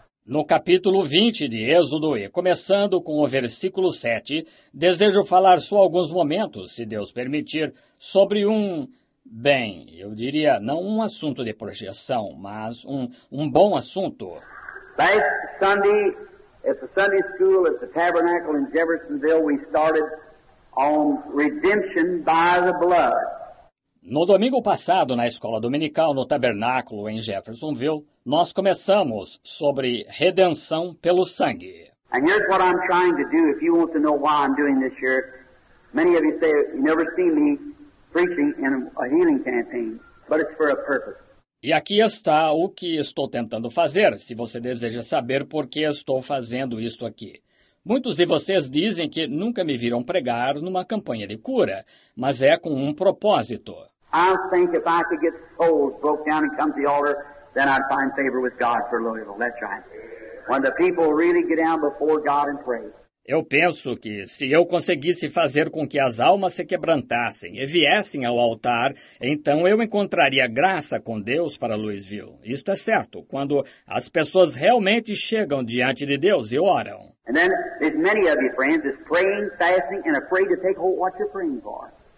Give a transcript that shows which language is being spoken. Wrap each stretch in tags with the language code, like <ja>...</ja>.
<pt>No capítulo 20 de Êxodo, e começando com o versículo 7, desejo falar só alguns momentos, se Deus permitir, sobre Bem, eu diria, não um assunto de projeção, mas um bom assunto.</pt> <en>Last Sunday, at the Sunday School at the Tabernacle in Jeffersonville, we started on redemption by the blood.</en> <pt>No domingo passado, na escola dominical no Tabernáculo em Jeffersonville, nós começamos sobre redenção pelo sangue.</pt> <en>And here's what I'm trying to do, if you want to know why I'm doing this here. Many of you say, you've never seen me. Preaching in a healing campaign, but it's for a purpose.</en> <pt>E aqui está o que estou tentando fazer, se você deseja saber por que estou fazendo isto aqui. Muitos de vocês dizem que nunca me viram pregar numa campanha de cura, mas é com um propósito.</pt> <en>I think if I could get souls broke down and come to the altar, then I'd find favor with God for Louisville. That's right. When the people really get down before God and pray.</en> <pt>Eu penso que se eu conseguisse fazer com que as almas se quebrantassem e viessem ao altar, então eu encontraria graça com Deus para Louisville. Isto é certo, quando as pessoas realmente chegam diante de Deus e oram.</pt> <en>And then there's many of you friends is praying, fasting and afraid to take hold what you're praying for.</en>